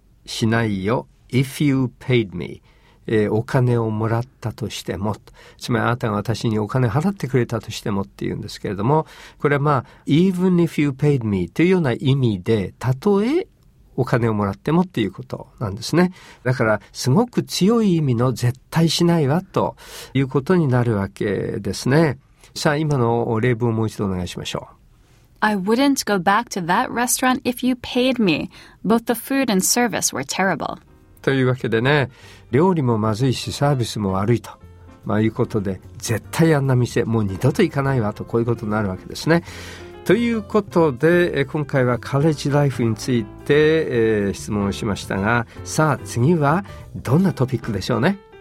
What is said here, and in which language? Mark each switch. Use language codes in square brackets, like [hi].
[ja] しないよ [en] if you paid me、 [ja] お金をもらったとしてもつまりあなたが私にお金払ってくれたとしてもっていうんですけれどもこれはまあ [en] even if you paid me [ja] というような意味でたとえお金をもらってもっていうことなんですねだからすごく強い意味の絶対しないわということになるわけですねさあ今の例文をもう一度お願いしましょう [en] I wouldn't go back to that restaurant if you paid me. Both the food and service were terrible. [ja] というわけでね、料理もまずいしサービスも悪いと、まあ、いうことで、絶対あんな店もう二度と行かないわとこういうことになるわけですね。ということで、今回はカレッジライフについて、質問をしましたが、さあ次はどんなトピックでしょうね。